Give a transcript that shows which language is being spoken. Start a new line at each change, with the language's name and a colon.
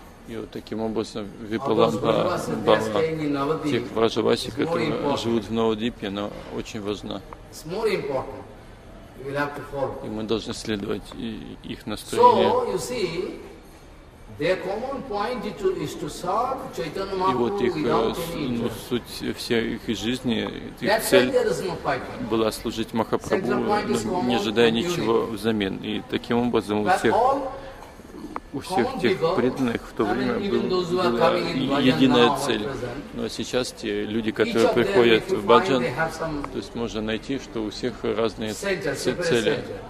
Russian: И вот таким образом Vipralamba Bhava, тех Враджаваси, которые живут в Навадвипе, оно очень важно.
English: It's more important. You will have to follow.
Russian: И мы должны следовать их настроению.
English: So, you see, their common point is to serve Chaitanya Mahaprabhu.
Russian: И вот их, ну, суть всей их жизни, их цель была служить Махапрабху, но не ожидая ничего взамен. И таким образом у всех тех преданных в то время была единая цель. Но сейчас те люди, которые приходят в Баджан, то есть можно найти, что у всех разные цели.